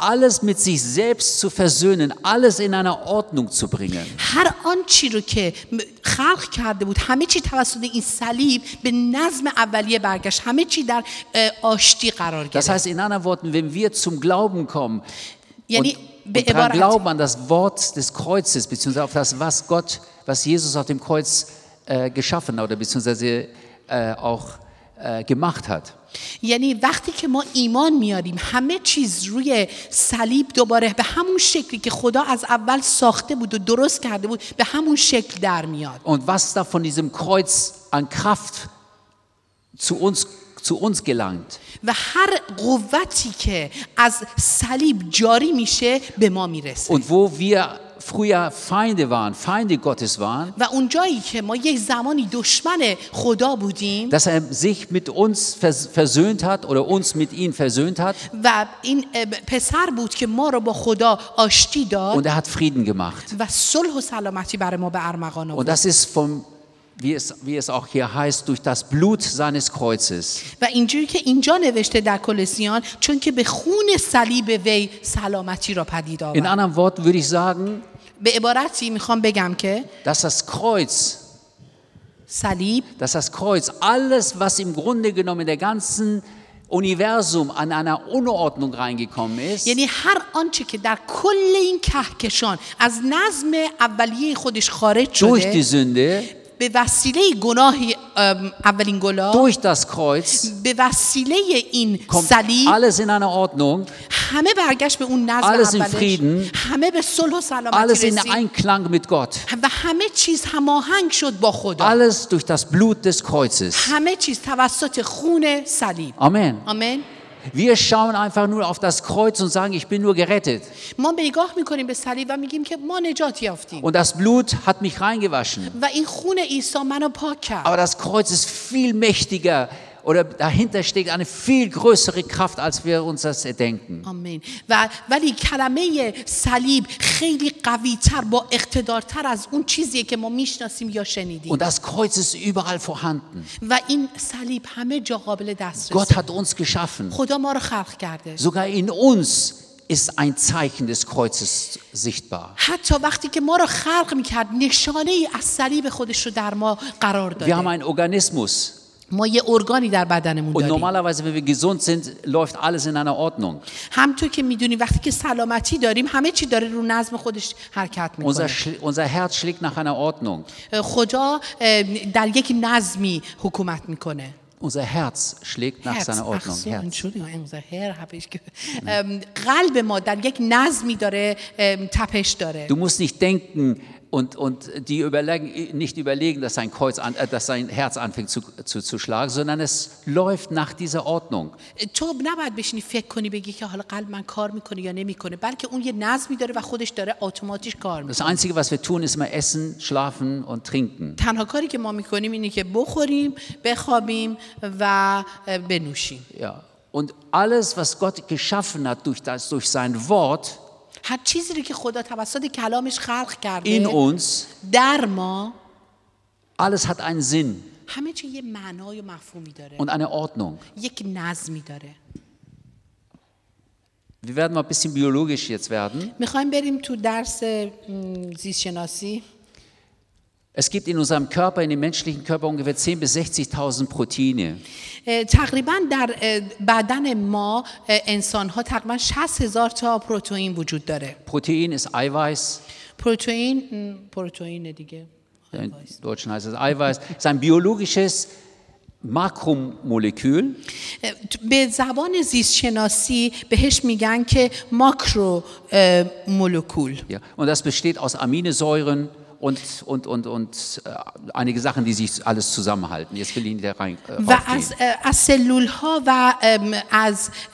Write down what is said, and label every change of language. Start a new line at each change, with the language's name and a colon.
German: alles mit sich selbst zu versöhnen, alles in einer Ordnung zu bringen.
Persian: هر آن چی رو که خلق کرده بود، همه چی توسط این صلیب به نظم اولیه برگشت، همه چی در آشتی قرار گرفت.
German: Das heißt in anderen Worten, wenn wir zum Glauben kommen, Und daran glauben an das Wort des Kreuzes, beziehungsweise auf das, was Gott, was Jesus auf dem Kreuz geschaffen oder beziehungsweise auch gemacht hat.
Persian: یعنی وقتی که ما ایمان میاریم همه چیز روی صلیب دوباره به همون شکلی که خدا از اول ساخته بود و درست کرده بود به همون شکل در میاد.
German: Und was da von diesem Kreuz an Kraft zu uns zu uns gelangt.
Persian: و هر قوتی که از صلیب جاری میشه به ما میرسه.
German: Und wo wir früher Feinde waren, Feinde Gottes waren.
Persian: و اون جایی که ما یک زمانی دشمن خدا بودیم.
German: Dass er sich mit uns versöhnt hat oder uns mit ihm versöhnt hat.
Persian: و این پسر بود که ما رو با خدا آشتی داد.
German: Und er hat Frieden gemacht.
Persian: و صلح و سلامتی برای ما به ارمغان آورد.
German: Und das ist vom wie es auch hier heißt, durch das Blut seines Kreuzes.
Persian: و اینجوری که اینجا نوشته در کلسیان چون که به خون صلیب وی سلامتی را پدید آورد.
German: In anderen Worten würde ich sagen,
Persian: به عبارتی میخوام بگم که
German: dass das Kreuz
Persian: صلیب
German: dass das Kreuz alles was im Grunde genommen in der ganzen Universum an einer Unordnung reingekommen ist.
Persian: یعنی هر آنچه که در کل این کهکشان از نظم اولیه خودش خارج شده
German: durch die Sünde
Persian: به وسیله گناه اولین گناه
German: durch das Kreuz
Persian: به وسیله این صلیب
German: alles in einer Ordnung
Persian: همه برگشت به اون نظم
German: alles in Frieden
Persian: همه به صلح و سلامتی
German: alles in Einklang mit Gott
Persian: و همه چیز هماهنگ شد با خدا
German: alles durch das Blut des Kreuzes
Persian: همه چیز توسط خون صلیب آمین آمین
German: Wir schauen einfach nur auf das Kreuz und sagen, ich bin nur gerettet.
Persian: ما به نگاه میکنیم به صلیب و میگیم که ما نجات یافتیم.
German: Und das Blut hat mich reingewaschen.
Persian: و این خون عیسی منو پاک کرد.
German: Aber das Kreuz ist viel mächtiger oder dahinter steckt eine viel größere Kraft als wir uns das erdenken.
Persian: آمین. و ولی کلمه صلیب خیلی قوی تر با اقتدارتر از اون چیزیه که ما میشناسیم یا شنیدیم.
German: Und das Kreuz ist überall vorhanden.
Persian: و این صلیب همه جا قابل دسترسی.
German: Gott hat uns geschaffen.
Persian: خدا ما رو خلق کرده.
German: Sogar in uns ist ein Zeichen des Kreuzes sichtbar.
Persian: حتی وقتی که ما رو خلق میکرد نشانه ای از صلیب خودش رو در ما قرار داده.
German: Wir haben einen Organismus.
Persian: ما یه ارگانی در بدنمون داریم.
German: Und normalerweise wenn wir gesund sind, läuft alles in einer Ordnung.
Persian: همونطور که میدونی وقتی که سلامتی داریم همه چی داره رو نظم خودش حرکت میکنه.
German: Unser Herz schlägt nach einer Ordnung.
Persian: خدا در یک نظمی حکومت میکنه.
German: Unser Herz schlägt nach seiner Ordnung. Entschuldigung, unser Herr habe ich
Persian: قلب ما در یک نظمی داره تپش داره.
German: Du musst nicht denken und die überlegen nicht überlegen dass sein Kreuz dass sein Herz anfängt zu schlagen sondern es läuft nach dieser Ordnung
Persian: تو نباید بشینی فکر کنی بگی که حالا قلب من کار میکنه یا نمیکنه بلکه اون یه نظمی داره و خودش داره اتوماتیک کار میکنه
German: Das einzige was wir tun ist mal essen schlafen und trinken
Persian: تنها کاری که ما میکنیم اینه که بخوریم بخوابیم و بنوشیم
German: Ja und alles was Gott geschaffen hat durch das durch sein Wort
Persian: هر چیزی رو که خدا توسط کلامش خلق کرده این اونس در ما
German: alles hat einen Sinn
Persian: همه چی یه معنای و مفهومی داره
German: und eine Ordnung
Persian: یک نظمی داره
German: wir werden mal ein bisschen biologisch jetzt werden
Persian: میخوایم بریم تو درس زیستشناسی
German: Es gibt in unserem Körper, in dem menschlichen Körper, ungefähr 10 bis 60.000 Proteine.
Persian: تقریباً در بدن ما انسان‌ها تقریباً 60,000 تا پروتئین وجود داره.
German: Protein ist Eiweiß.
Persian: Protein دیگه.
German: In Deutschen heißt es Eiweiß. Es ist ein biologisches Makromolekül.
Persian: به زبان زیست‌شناسی بهش میگن که ماکرومولکول.
German: Ja, und das besteht aus Aminosäuren. Und einige Sachen, die sich alles zusammenhalten. Jetzt will ich nicht da rein. Was als Zellulen und als